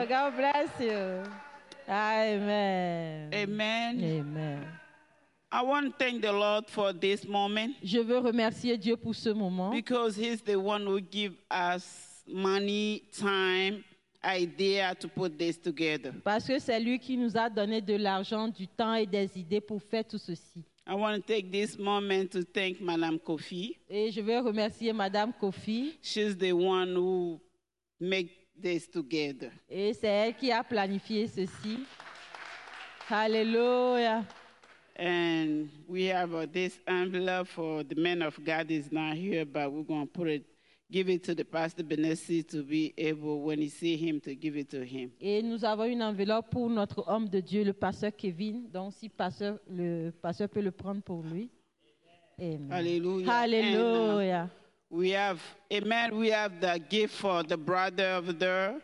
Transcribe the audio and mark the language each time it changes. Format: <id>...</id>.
<en>You. God bless you. Amen.</en> <fr>Amen.</fr> <en>Amen. I want to thank the Lord for this moment.</en> <fr>Je veux remercier Dieu pour ce moment.</fr> <en>Because He's the one who gives us money, time, idea to put this together.</en> <fr>Parce que c'est lui qui nous a donné de l'argent, du temps et des idées pour faire tout ceci.</fr> <en>I want to take this moment to thank Madame Kofi.</en> <fr>Et je veux remercier Madame Kofi.</fr> <en>She's the one who make this together.</en> <fr>Et c'est elle qui a planifié ceci. Hallelujah.</fr> <en>And we have this envelope for the man of God is not here, but we're going to give it to the Pastor Benessi to be able, when he see him, to give it to him.</en> <fr>Et nous avons une enveloppe pour notre homme de Dieu, le pasteur Kevin. Donc, si le pasteur peut le prendre pour lui. Amen. Hallelujah. Hallelujah.</fr> <en>We have the gift for the brother over there.</en>